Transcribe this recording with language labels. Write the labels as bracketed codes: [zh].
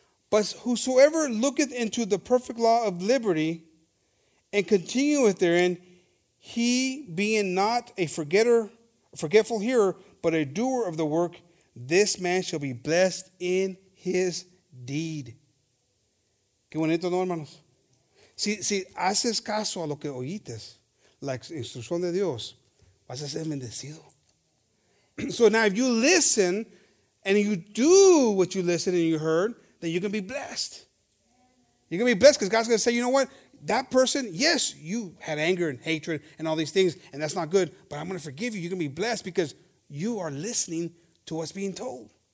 [en] But whosoever looketh into the perfect law of liberty and continueth therein, he being not a forgetful hearer, but a doer of the work, this man shall be blessed in his deed. [es] Qué bonito, ¿no, hermanos? Si haces caso a lo que oyites, la instrucción de Dios, vas a ser bendecido. [en] So now if you listen and you do what you listened and you heard, then you're going to be blessed. You're going to be blessed because God's going to say, you know what? That person, yes, you had anger and hatred and all these things, and that's not good, but I'm going to forgive you. You're going to be blessed because you are listening to what's being told.